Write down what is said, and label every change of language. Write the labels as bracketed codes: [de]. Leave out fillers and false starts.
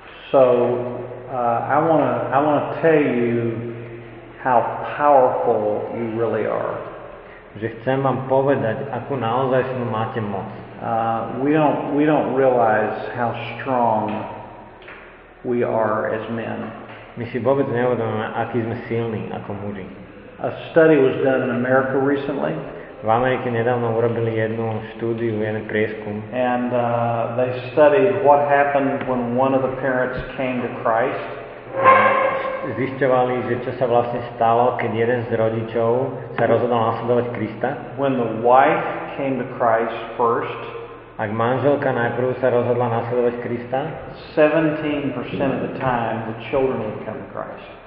[en] So I want to tell you how powerful you really are. [sk] Že chcem vám povedať, akú naozajstnú máte moc. [en] We don't realize how strong we are as men. [sk] My si vôbec neuvedomujeme, aký sme silní ako muži. [en] A study was done in America recently. [sk] V Amerike nedávno urobili jednu štúdiu, jeden prieskum. [en] And they studied what happened when one of the parents came to Christ. [sk] Zisťovali, že čo sa vlastne stalo, keď jeden z rodičov sa rozhodol nasledovať Krista. [en] When the wife came to Christ first. [sk] Ak manželka najprv sa rozhodla nasledovať Krista. [en] 17% of the time the children would come to Christ.